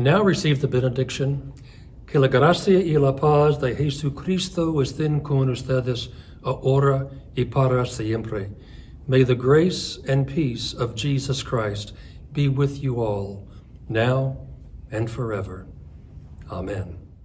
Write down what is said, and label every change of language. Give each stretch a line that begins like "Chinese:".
English: Receive the benediction.
Spanish: Que la gracia y la paz de Jesucristo estén con ustedes ahora y para siempre.
English: May the grace and peace of Jesus Christ be with you all, now and forever. Amen.